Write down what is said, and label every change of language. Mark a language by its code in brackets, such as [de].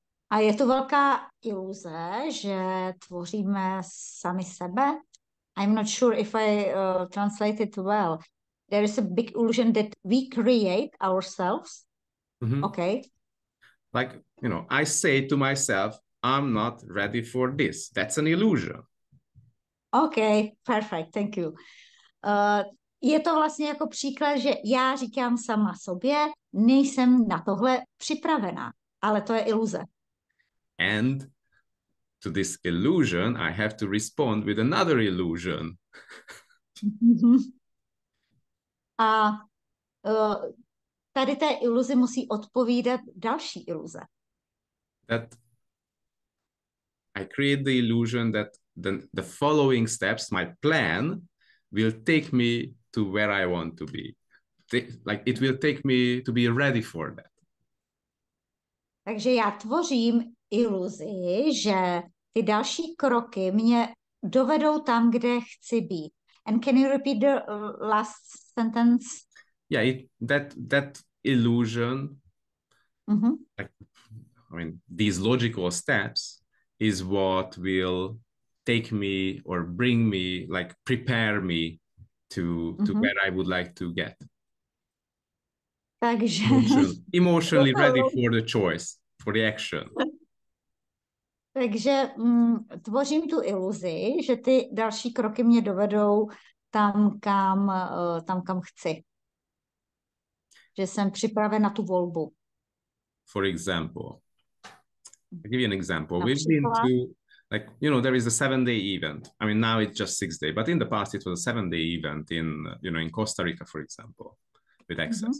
[cs] A je to velká iluze, že tvoříme sami sebe. [en] I'm not sure if I translate it well. There is a big illusion that we create ourselves. Okay. Like, you know, I say to myself, I'm not ready for this. That's an illusion. Okay, perfect. Thank you. [cs] Je to vlastně jako příklad, že já říkám sama sobě, nejsem na tohle připravená, ale to je iluze. [en] And to this illusion, I have to respond with another illusion. [cs] A tady té iluzi musí odpovídat další iluze. [en] That I create the illusion that then the following steps, my plan, will take me to where I want to be. Like it will take me to be ready for that. [cs] Takže já tvořím iluzi, že ty další kroky mě dovedou tam, kde chci být. [en] And can you repeat the last sentence? Yeah, that illusion, like, I mean, these logical steps is what will take me or bring me, like prepare me to where I would like to get. [cs] Takže [en] emotionally ready for the choice, for the action. [cs] Takže tvořím tu iluzi, že ty další kroky mě dovedou tam kam chci. Že jsem připraven na tu volbu. [en] For example, I'll give you an example. We've been to, like, you know, there is a 7-day event. I mean, now it's just 6-day, but in the past it was a 7-day event in, you know, in Costa Rica, for example, with access.